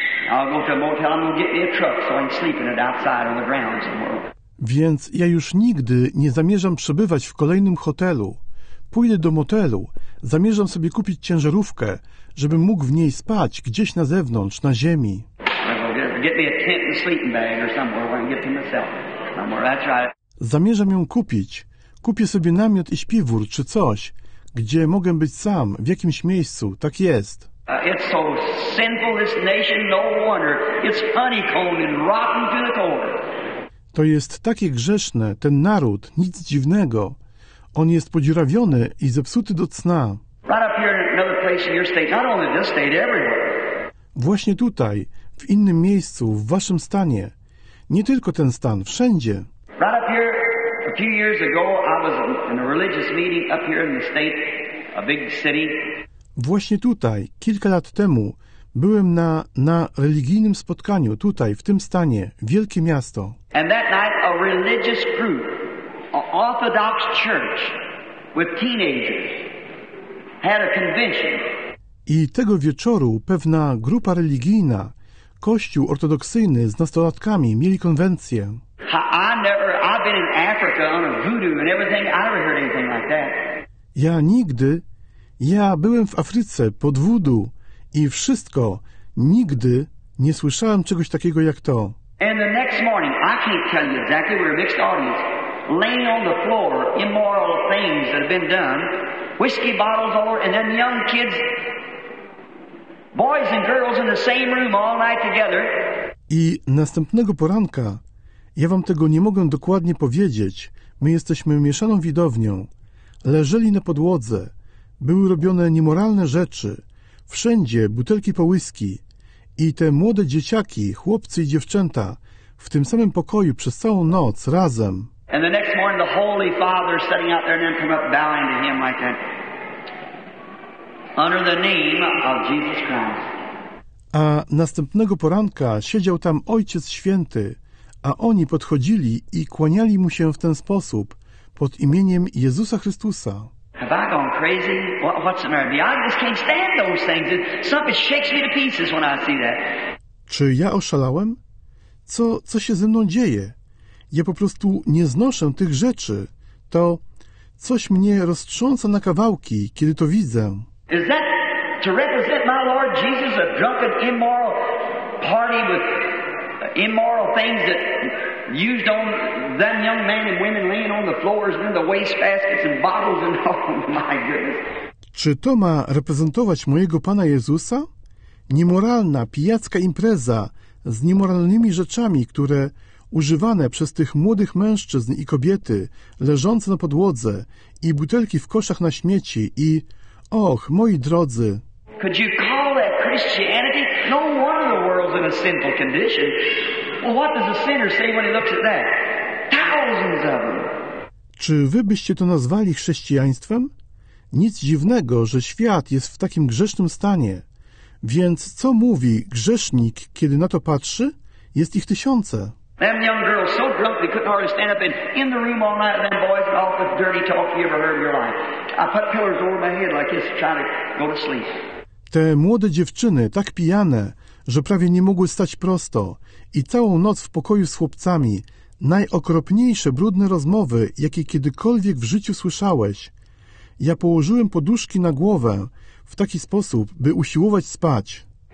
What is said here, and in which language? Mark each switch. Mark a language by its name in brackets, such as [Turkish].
[English] I'll go to a motel, I'm gonna get me a truck so I can sleep in it outside on the ground somewhere. [Polish] Więc ja już nigdy nie zamierzam przebywać w kolejnym hotelu. Pójdę do motelu, zamierzam sobie kupić ciężarówkę, żebym mógł w niej spać gdzieś na zewnątrz, na ziemi. [English] Get me a tent and sleeping bag or somewhere where I can get to myself. Somewhere, that's right. [Polish] Zamierzam ją kupić. Kupię sobie namiot i śpiwór czy coś, gdzie mogę być sam, w jakimś miejscu. Tak jest. [English] It's so sinful, this nation, no wonder. It's honeycombed and rotten to the core. [Polish] To jest takie grzeszne, ten naród, nic dziwnego. On jest podziurawiony i zepsuty do cna. [English] Right up here in another place in your state, not only this state, everywhere. [Polish] Właśnie tutaj, w innym miejscu, w waszym stanie. Nie tylko ten stan, wszędzie. [English] Right up here, a few years ago, I was in a religious meeting up here in the state, a big city. [Polish] Właśnie tutaj, kilka lat temu, byłem na religijnym spotkaniu, tutaj, w tym stanie, wielkie miasto. [English] And that night, a religious group, an orthodox church, with teenagers, had a convention. [Polish] I tego wieczoru pewna grupa religijna, kościół ortodoksyjny z nastolatkami, mieli konwencję. [English] I've been in Africa on a voodoo and everything. I never heard anything like that. [Polish] Ja nigdy... Ja byłem w Afryce pod wudu i wszystko, nigdy nie słyszałem czegoś takiego jak to. [English] And the next morning, I can't tell you exactly, we're a mixed audience, laying on the floor, immoral things that have been done, whiskey bottles all over, and then young kids, boys and girls in the same room all night together. [Polish] I następnego poranka, ja wam tego nie mogę dokładnie powiedzieć, my jesteśmy mieszaną widownią, leżeli na podłodze, były robione niemoralne rzeczy. Wszędzie butelki po whisky. I te młode dzieciaki, chłopcy i dziewczęta, w tym samym pokoju przez całą noc, razem. [English] And the next morning, the Holy Father sitting out there, and then come up bowing to him like that, under the name of Jesus Christ. [Polish] A następnego poranka siedział tam Ojciec Święty, a oni podchodzili i kłaniali mu się w ten sposób, pod imieniem Jezusa Chrystusa. [English] Have I gone crazy? What's the matter? I just can't stand those things. Something shakes me to pieces when I see that. [Polish] Czy ja oszalałem? Co się ze mną dzieje? Ja po prostu nie znoszę tych rzeczy. To coś mnie roztrząsa na kawałki, kiedy to widzę. [English] Is that to represent my Lord Jesus, a drunken, immoral party with immoral things that used on them young men and women laying on the floors and in the waste baskets and bottles and oh my goodness. [Polish] Czy to ma reprezentować mojego Pana Jezusa? Niemoralna, pijacka impreza z niemoralnymi rzeczami, które używane przez tych młodych mężczyzn i kobiety leżące na podłodze i butelki w koszach na śmieci i och, moi drodzy. [English] Could you call that Christianity? No wonder the world's in a sinful condition. Well, what does a sinner say when he looks at that? Thousands of them. [Polish] Czy wy byście to nazwali chrześcijaństwem? Nic dziwnego, że świat jest w takim grzesznym stanie. Więc co mówi grzesznik, kiedy na to patrzy? Jest ich tysiące. [English] Them young girls so drunk they couldn't hardly stand up in the room all night, and them boys and all the dirty talk you ever heard in your life. I put pillars over my head like this trying to go to sleep. [Polish] Te młode dziewczyny, tak pijane, że prawie nie mogły stać prosto i całą noc w pokoju z chłopcami, najokropniejsze brudne rozmowy, jakie kiedykolwiek w życiu słyszałeś. Ja położyłem poduszki na głowę w taki sposób, by usiłować spać.